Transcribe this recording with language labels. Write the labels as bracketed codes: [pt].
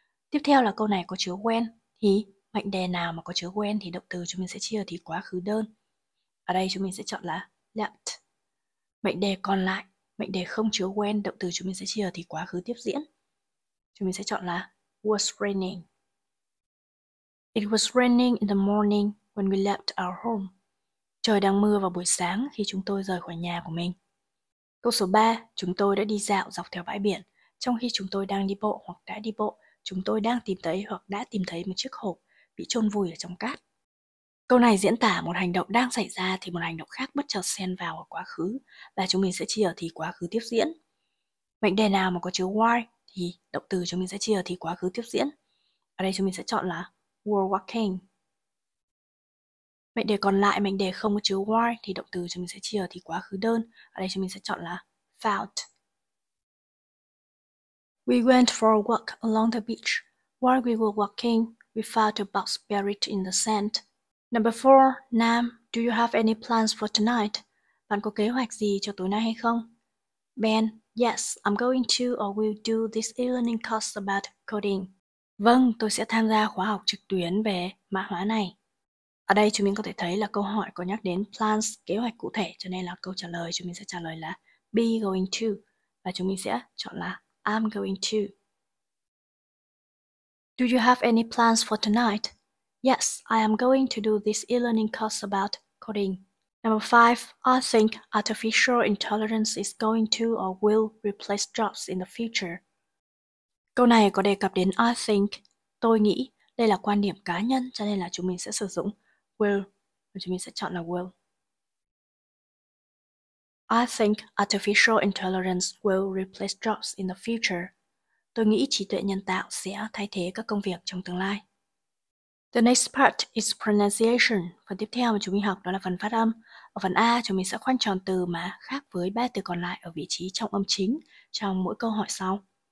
[vi] Tiếp theo là câu này có chứa when, thì mệnh đề nào mà có chứa when thì động từ chúng mình sẽ chia thì quá khứ đơn. Ở đây chúng mình sẽ chọn là left. Mệnh đề còn lại, mệnh đề không chứa when, động từ chúng mình sẽ chia thì quá khứ tiếp diễn. Chúng mình sẽ chọn là was raining. [en] It was raining in the morning when we left our home. [vi] Trời đang mưa vào buổi sáng khi chúng tôi rời khỏi nhà của mình. Câu số 3, chúng tôi đã đi dạo dọc theo bãi biển. Trong khi chúng tôi đang đi bộ hoặc đã đi bộ, chúng tôi đang tìm thấy hoặc đã tìm thấy một chiếc hộp bị chôn vùi ở trong cát. Câu này diễn tả một hành động đang xảy ra thì một hành động khác bất chợt xen vào ở quá khứ, và chúng mình sẽ chia thì quá khứ tiếp diễn. Mệnh đề nào mà có chứa why thì động từ chúng mình sẽ chia thì quá khứ tiếp diễn. Ở đây chúng mình sẽ chọn là were walking. Mệnh đề còn lại, mệnh đề không có chứa why thì động từ chúng mình sẽ chia thì quá khứ đơn. Ở đây chúng mình sẽ chọn là found. [en] We went for a walk along the beach. While we were walking, we found a box buried in the sand. Number 4, Nam, do you have any plans for tonight? [vi] Bạn có kế hoạch gì cho tối nay hay không? [en] Ben, yes, I'm going to or will do this e-learning course about coding. [vi] Vâng, tôi sẽ tham gia khóa học trực tuyến về mã hóa này. Ở đây chúng mình có thể thấy là câu hỏi có nhắc đến plans, kế hoạch cụ thể, cho nên là câu trả lời chúng mình sẽ trả lời là be going to, và chúng mình sẽ chọn là [en] I'm going to. Do you have any plans for tonight? Yes, I am going to do this e-learning course about coding. Number 5, I think artificial intelligence is going to or will replace jobs in the future. [vi] Câu này có đề cập đến [en] I think, [vi] tôi nghĩ, đây là quan điểm cá nhân, cho nên là chúng mình sẽ sử dụng will, và chúng mình sẽ chọn là will. [en] I think artificial intelligence will replace jobs in the future. [vi] Tôi nghĩ trí tuệ nhân tạo sẽ thay thế các công việc trong tương lai. [en] The next part is pronunciation. [vi] Phần tiếp theo mà chúng mình học đó là phần phát âm. Ở phần A, chúng mình sẽ khoanh tròn từ mà khác với ba từ còn lại ở vị trí trọng âm chính trong mỗi câu hỏi sau.